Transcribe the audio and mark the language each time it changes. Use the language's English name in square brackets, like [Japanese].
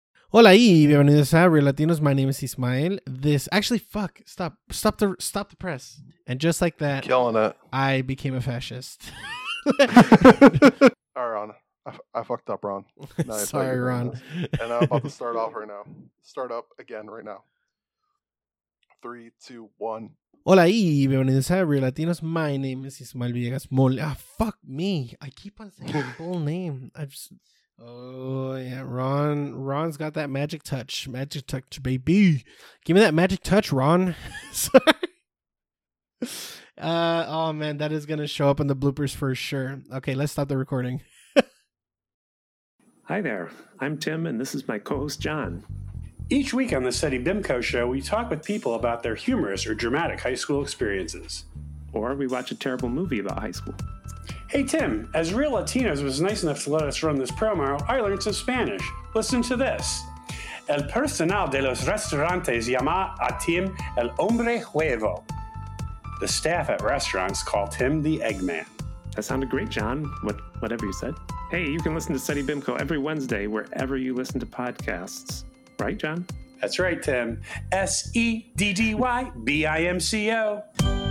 [Spanish] Hola y bienvenidos a Real Latinos. [English] My name is Ismael. This actually, fuck, stop the press. And just like that, killing it. I became a fascist. All right, Ron. I fucked up, Ron. Sorry, Ron. And I'm about to start off right now. Start up again right now. 3, 2, 1. [Spanish] Hola y bienvenidos a Real Latinos. [English] My name is Ismael Villegas Mole. Ah, fuck me. I keep on saying the full name. Ron's got that magic touch. Magic touch, baby. Give me that magic touch, Ron. Sorry. Oh, man. That is going to show up in the bloopers for sure. Okay, let's stop the recording. Hi there. I'm Tim, and this is my co-host, John. Each week on the SETI BIMCO show, we talk with people about their humorous or dramatic high school experiences. Or we watch a terrible movie about high school. Hey Tim, as Real Latinos was nice enough to let us run this promo, I learned some Spanish. Listen to this. [Spanish] El personal de los restaurantes llama a Tim el hombre huevo. [English] The staff at restaurants call Tim the Eggman. That sounded great, John. Whatever you said. Hey, you can listen to SETI BIMCO every Wednesday wherever you listen to podcasts. Right, John? That's right, Tim. SEDDYBIMCO.